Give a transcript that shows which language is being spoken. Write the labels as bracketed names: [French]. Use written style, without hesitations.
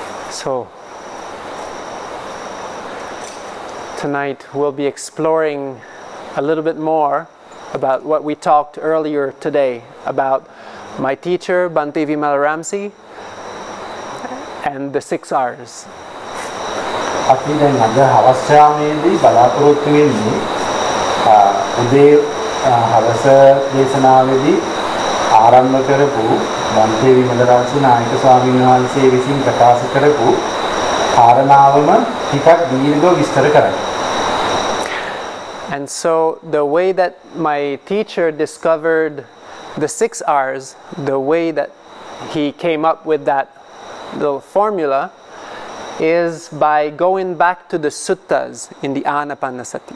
[English] So, tonight we'll be exploring a little bit more about what we talked earlier today about my teacher, Bhante Vimalaramsi, and the six R's. [Sinhala] අපි දැන් අද හවස් යාමේදී බලාපොරොත්තු වෙන්නේ උදේ හවස දේශනාවේදී ආරම්භ කරපු බන්තේ විමලරාජු නායක ස්වාමීන් වහන්සේ විසින් ප්‍රකාශ කරපු කාරණාවම ටිකක් දීර්ඝව විස්තර කරන්න. [English] And so the way that my teacher discovered the six R's, the way that he came up with that little formula is by going back to the suttas in the Anapanasati.